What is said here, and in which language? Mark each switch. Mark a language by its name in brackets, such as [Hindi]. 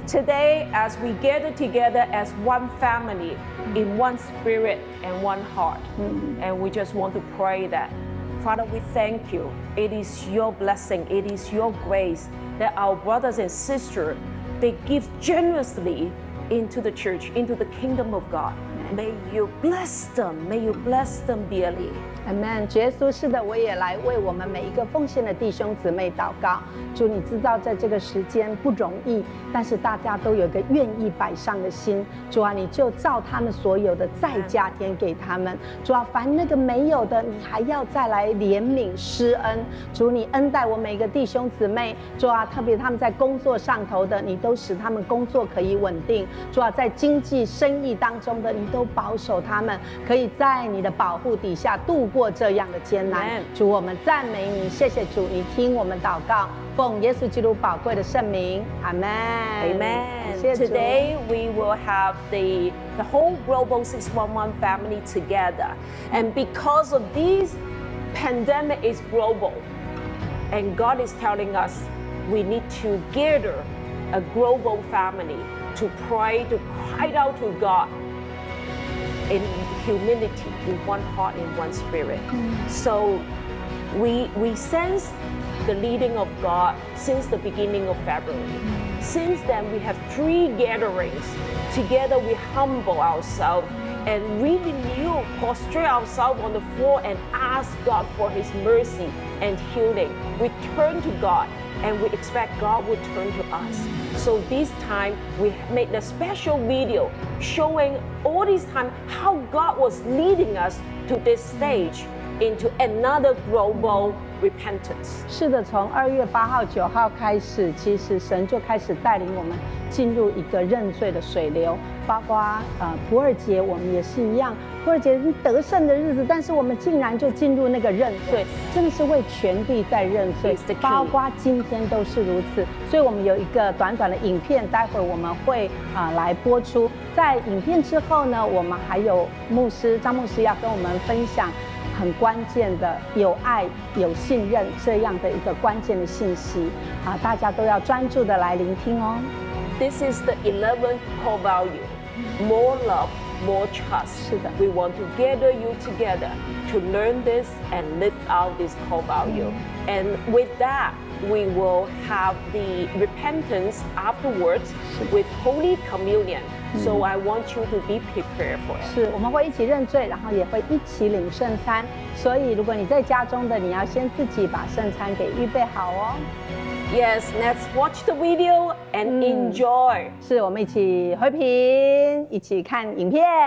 [English] Today, as we gather together as one family, in one spirit and one heart, and we just want to pray that, Father, we thank you. It is your blessing. It is your grace that our brothers and sisters, they give generously into the church, into the kingdom of God. May you bless them. May you bless them dearly. Amen. [Chinese] 主耶稣，是的，我也来为我们每一个奉献的弟兄姊妹祷告。主，你知道在这个时间不容易，但是大家都有个愿意摆上的心。主啊，你就照他们所有的再加添给他们。主啊，凡那个没有的，你还要再来怜悯施恩。主，你恩待我每一个弟兄姊妹。主啊，特别他们在工作上头的，你都使他们工作可以稳定。主啊，在经济生意当中的，你都保守他们可以在你的保护底下度过这样的艰难。主，我们赞美你，谢谢主，你听我们祷告，奉耶稣基督宝贵的圣名，阿门。 [English] Amen. Today we will have the whole Global 611 family together, and because of this pandemic is global, and God is telling us we need to gather a global family to pray, to cry out to God. In humility, in one heart, in one spirit. So we sense the leading of God since the beginning of February. Since then, we have three gatherings. Together, we humble ourselves and really kneel, prostrate ourselves on the floor and ask God for His mercy and healing. We turn to God and we expect God will turn to us. So this time, we made a special video showing all this time how God was leading us to this stage into another global repentance. [Chinese] 是的，从二月八号、九号开始，其实神就开始带领我们进入一个认罪的水流，包括普尔节，我们也是一样。或者得胜的日子，但是我们竟然就进入那个认罪，真的是为全地在认罪，包括今天都是如此。所以我们有一个短短的影片，待会我们会来播出。在影片之后呢，我们还有牧师张牧师要跟我们分享很关键的有爱有信任这样的一个关键的信息啊，大家都要专注的来聆听哦。 [English] This is the 11th core value, more love. More trust. We want to gather you together to learn this and live out this core value. And with that, we will have the repentance afterwards with Holy Communion. So I want you to be prepared for it. [Chinese] 是，我们会一起认罪，然后也会一起领圣餐。所以，如果你在家中的，你要先自己把圣餐给预备好哦。 [English] Yes, let's watch the video and enjoy. [Chinese] 是我们一起回屏，一起看影片。